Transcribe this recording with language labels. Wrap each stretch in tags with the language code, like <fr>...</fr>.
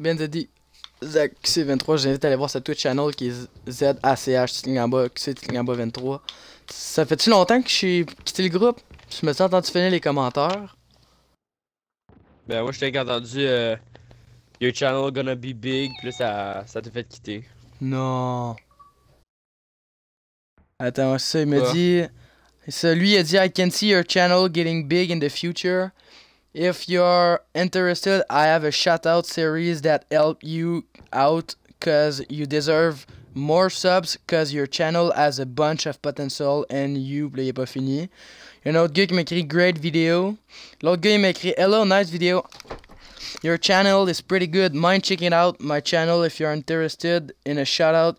<fr>Bien dit, ZachC23, j'invite à aller voir sa Twitch channel qui est ZACH, QC-23. Ça fait-tu longtemps que j'ai quitté le groupe? Je me suis entendu finir les commentaires. Ben moi, je t'ai entendu</fr> <en>Your channel gonna be big,</en> <fr>plus ça t'a fait quitter. Non. Attends, ça, il m'a dit. Ça, lui, il a dit:</fr> <en>I can see your channel getting big in the future. If you're interested, I have a shout out series that help you out because you deserve more subs because your channel has a bunch of potential and you.</en> <fr>Là, il est pas fini. Il y a un autre gars qui m'écrit:</fr> <en>great video.</en> <fr>L'autre gars, il m'écrit:</fr> <en>hello, nice video. Your channel is pretty good. Mind checking out my channel if you're interested in a shout out.</en>